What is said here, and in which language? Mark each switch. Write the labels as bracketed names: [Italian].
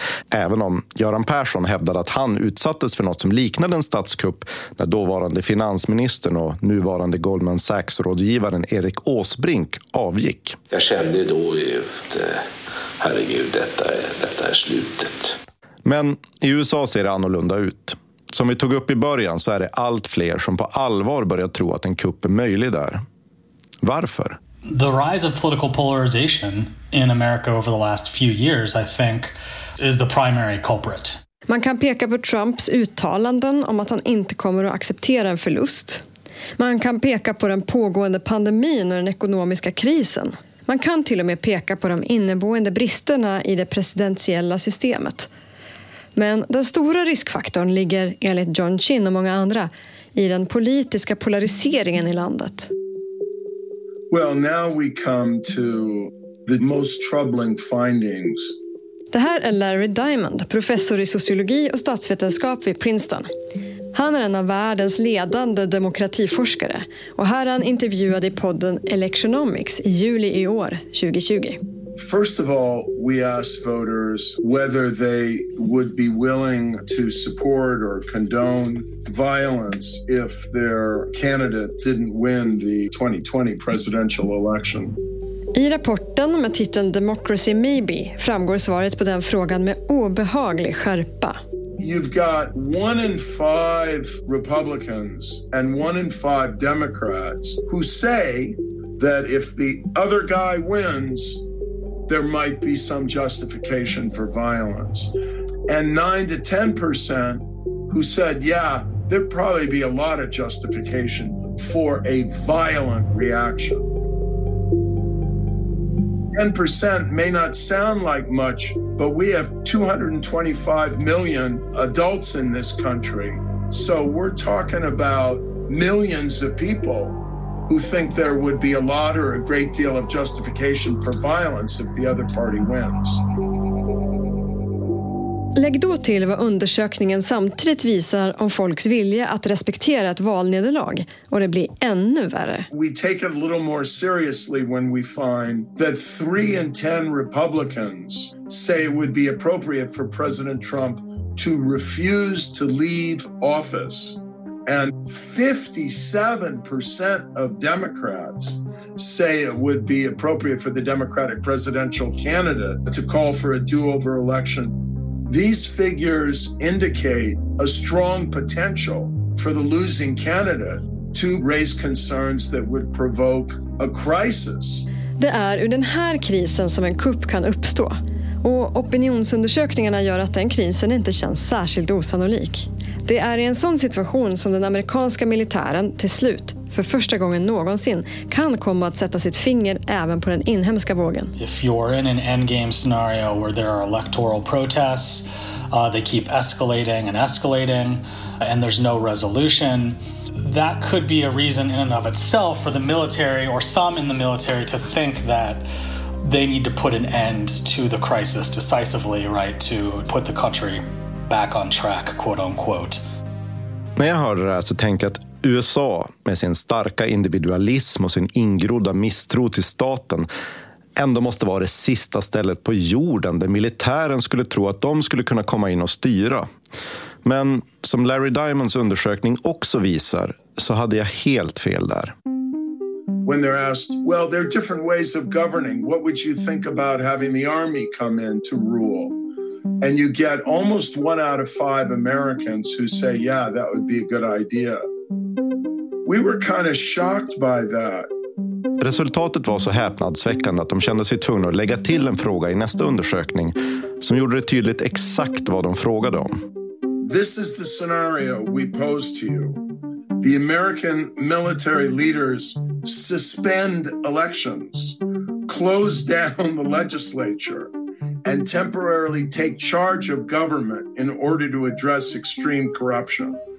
[Swedish] Även om Göran Persson hävdade att han utsattes för något som liknade en statskupp när dåvarande finansministern och nuvarande Goldman Sachs-rådgivaren Erik Åsbrink avgick. Jag kände då att herregud, detta är slutet. Men i USA ser det annorlunda ut. Som vi tog upp i början så är det allt fler som på allvar börjar tro att en kupp är möjlig där. Varför? [English] The rise of political polarization in America over the last few years, I think, is the primary culprit. [Swedish] Man kan peka på Trumps uttalanden om att han inte kommer att acceptera en förlust. Man kan peka på den pågående pandemin och den ekonomiska krisen. Man kan till och med peka på de inneboende bristerna i det presidentiella systemet. Men den stora riskfaktorn ligger, enligt John Chin och många andra, i den politiska polariseringen i landet. [English] Well, now we come to the most troubling findings. [Swedish] Det här är Larry Diamond, professor i sociologi och statsvetenskap vid Princeton. Han är en av världens ledande demokratiforskare och här är han intervjuad i podden Electionomics i juli i år 2020. [English] First of all, we asked voters whether they would be willing to support or condone violence if their candidate didn't win the 2020 presidential election. [Swedish] I rapporten med titeln Democracy Maybe framgår svaret på den frågan med obehaglig skärpa. [English] You've got 1 in 5 Republicans and 1 in 5 Democrats who say that if the other guy wins, there might be some justification for violence. And 9 to 10% who said, yeah, there'd probably be a lot of justification for a violent reaction. 10% may not sound like much, but we have 225 million adults in this country. So we're talking about millions of people who think there would be a lot or a great deal of justification for violence if the other party wins. [Swedish] Lägg då till vad undersökningen samtidigt visar om folks vilja att respektera ett valnederlag, och det blir ännu värre. [English] We take it a little more seriously when we find that 3 in 10 Republicans say it would be appropriate for President Trump to refuse to leave office. And 57% of Democrats say it would be appropriate for the Democratic presidential candidate to call for a do-over election. These figures indicate a strong potential for the losing candidate to raise concerns that would provoke a crisis. [Swedish] Det är ur den här krisen som en kupp kan uppstå. Och opinionsundersökningarna gör att den krisen inte känns särskilt osannolik. Det är i en sån situation som den amerikanska militären till slut, för första gången någonsin, kan komma att sätta sitt finger även på den inhemska vågen. [English] If you're in an endgame scenario where there are electoral protests, they keep escalating and escalating, and there's no resolution, that could be a reason in and of itself for the military or some in the military to think that they need to put an end to the crisis decisively, right, to put the country back on track, quote unquote. [Swedish] När jag hörde det här så tänkte jag att USA med sin starka individualism och sin ingrodda misstro till staten ändå måste vara det sista stället på jorden där militären skulle tro att de skulle kunna komma in och styra. Men som Larry Diamonds undersökning också visar så hade jag helt fel där. [English] When they're asked, well, there are different ways of governing. What would you think about having the army come in to rule? And you get almost 1 out of 5 Americans who say, yeah, that would be a good idea. We were kind of shocked by that. [Swedish] Resultatet var så häpnadsväckande att de kände sig tvungna att lägga till en fråga i nästa undersökning som gjorde det tydligt exakt vad de frågade om. [English] This is the scenario we pose to you. The American military leaders suspend elections, close down the legislature, and temporarily take charge of government in order to address extreme corruption.